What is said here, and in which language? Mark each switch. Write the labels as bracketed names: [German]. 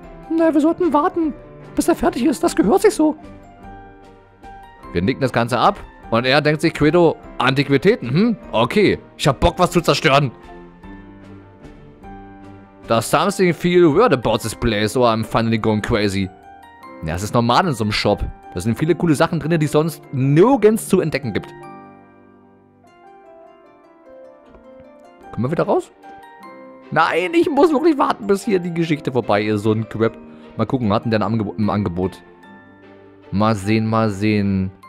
[German] Naja, wir sollten warten, bis er fertig ist. Das gehört sich so. Wir nicken das Ganze ab und er denkt sich, Credo, Antiquitäten, Okay, ich hab Bock, was zu zerstören. [English] Does something feel weird about this place, or I'm finally going crazy? [German] Ja, es ist normal in so einem Shop. Da sind viele coole Sachen drin, die sonst nirgends zu entdecken gibt. Kommen wir wieder raus? Nein, ich muss wirklich warten, bis hier die Geschichte vorbei ist, so ein Crap. Mal gucken, hatten der im Angebot? Mal sehen, mal sehen.